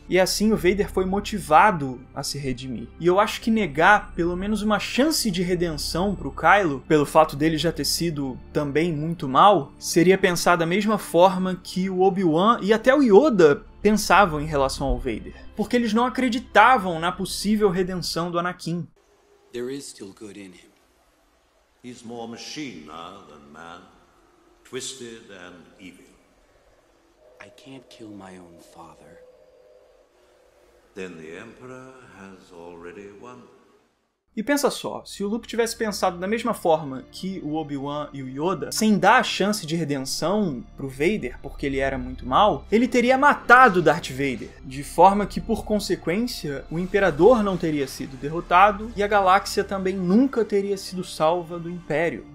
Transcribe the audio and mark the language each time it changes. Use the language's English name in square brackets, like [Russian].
[Portuguese] E assim o Vader foi motivado a se redimir. E eu acho que negar pelo menos uma chance de redenção pro Kylo, pelo fato dele já ter sido também muito mal, seria pensar da mesma forma que o Obi-Wan e até o Yoda pensavam em relação ao Vader. Porque eles não acreditavam na possível redenção do Anakin. [English] There is still good in him. He's more machine now than man. Twisted and evil. I can't kill my own father. Then the Emperor has already won. [Portuguese] E pensa só, se o Luke tivesse pensado da mesma forma que o Obi-Wan e o Yoda, sem dar a chance de redenção pro Vader, porque ele era muito mal, ele teria matado Darth Vader, de forma que, por consequência, o Imperador não teria sido derrotado e a galáxia também nunca teria sido salva do Império.